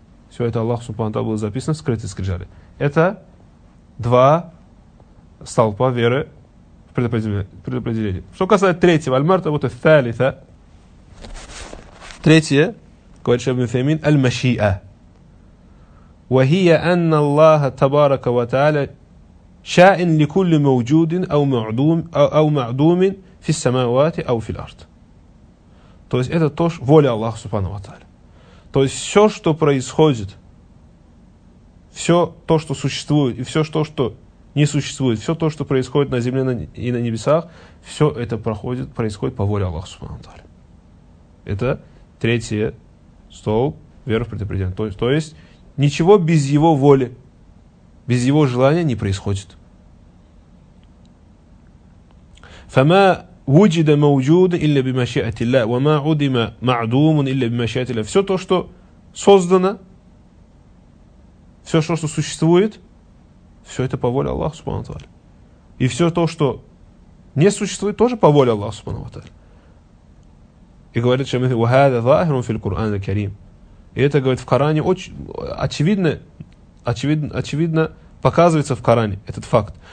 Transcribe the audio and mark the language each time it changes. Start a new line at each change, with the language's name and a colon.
Russian: Все это Аллах Субхану Тааля было записано, скрытые скрижали. Это два столпа веры в предопределение. Что касается третьего, аль-мартабата ас-салиса, третье, говорит шейх Ибн Усеймин, аль-машиа.
Arabic: وهي أن الله تبارك وتعالى شائن لكل موجود أو معدوم في السماوات أو في الأرض.
Russian: То есть это тоже воля Аллаха Субхану ва Тааля. То есть все, что происходит, все то, что существует, и все то, что не существует, все то, что происходит на земле и на небесах, все это происходит по воле Аллаха Субхану ва Тааля. Это третий столб веры в предопределение. То есть ничего без его воли, без его желания не происходит.
Arabic: فما وجد موجود إلا بمشيئة الله وما عدم معدوم إلا بمشيئة الله.
Russian: Все то, что создано, все, что существует, все это по воле Аллаха Субхану ва Тааля. И все то, что не существует, тоже по воле Аллаха Субхану ва Тааля. И говорит Шамих,
Arabic: وَهَذَا ظَاهِرٌ فِي الْقُرْآنِ الْكَرِيمِ.
Russian: И это, говорит, в Коране очень очевидно, очевидно показывается в Коране этот факт.